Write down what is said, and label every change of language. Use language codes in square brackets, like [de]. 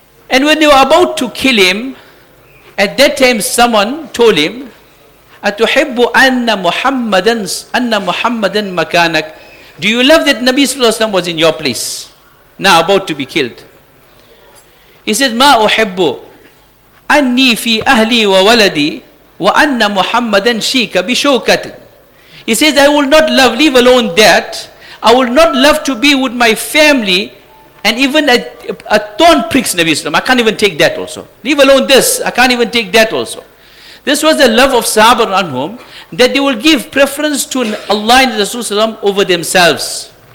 [en] And when they were about to kill him, at that time someone told him, [ar] أَتُحِبُّ أَنَّ مُحَمَّدًا مَكَانَكْ. [en] Do you love that Nabi Sallallahu Alaihi Wasallam was in your place, now about to be killed? He said, [ar] مَا أُحِبُّ أَنِّي فِي أَهْلِي وَوَلَدِي وَأَنَّ مُحَمَّدًا شِيكَ بِشَوْكَةٍ. [en] He says, I will not love, leave alone that, I will not love to be with my family, and even a thorn pricks Nabi Sallallahu Alaihi Wasallam. I can't even take that also. Leave alone this, I can't even take that also. This was the love of Sahaba anhum, that they will give preference to Allah and Rasul over themselves.